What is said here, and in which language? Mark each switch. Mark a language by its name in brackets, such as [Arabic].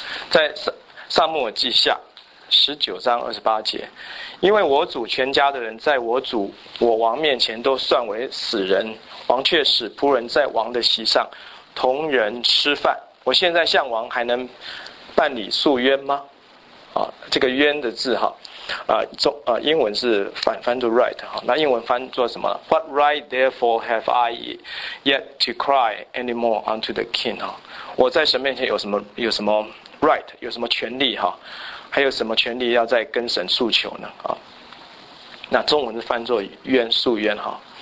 [Chinese] 在撒母耳记下19:28，因为我主全家的人在我主我王面前都算为死人，王却使仆人在王的席上同人吃饭。我现在向王还能办理诉冤吗？啊，这个冤的字哈，英文是翻作 right 哈，那英文翻作什么 ？ [English] What right therefore have I yet to cry anymore unto the king 哈？ [Chinese] 我在神面前有什么 right 有什么权利哈？还有什么权利要再跟神诉求呢？啊，那中文是翻作冤诉冤哈。